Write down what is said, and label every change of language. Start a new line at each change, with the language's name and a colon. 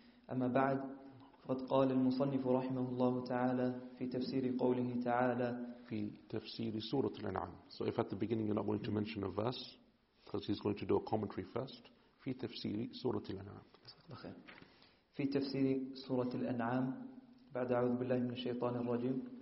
Arabic: أما بعد فقد قال المصنف رحمه الله تعالى في تفسير قوله تعالى في تفسير سورة الأنعام.
English: So if at the beginning you're not going to mention a verse, because he's going to do a commentary first,
Arabic: في تفسير سورة الأنعام. في تفسير سورة الأنعام بعد أعوذ بالله من الشيطان الرجيم.